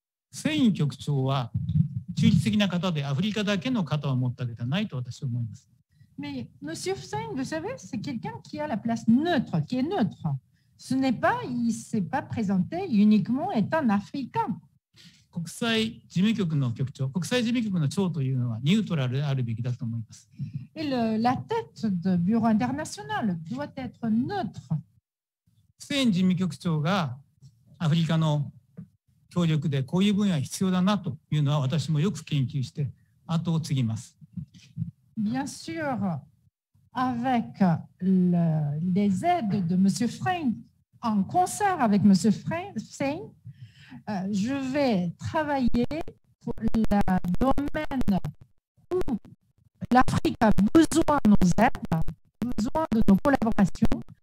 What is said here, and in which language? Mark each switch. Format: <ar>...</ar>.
<ja>セイン局長は中立的な方でアフリカだけの方を持ったわけではないと私は思います。</ja> <fr>Mais Monsieur Hussein, vous savez, c'est quelqu'un qui a la place neutre, qui est neutre. Ce n'est pas, il ne s'est pas présenté uniquement étant africain.</fr> <ja>国際事務局の局長、国際事務局の長というのはニュートラルであるべきだと思います。</ja> <fr>Et la tête de bureau international doit être neutre.</fr> <ja>セイン事務局長がアフリカの協力でこういう分野必要だなというのは私もよく研究して後を継ぎます。</ja> <fr>Bien sûr, avec les aides de Monsieur Frein, en concert avec Monsieur Frein, je vais travailler pour le domaine où l'Afrique a besoin de nos aides, besoin de nos collaborations.</fr>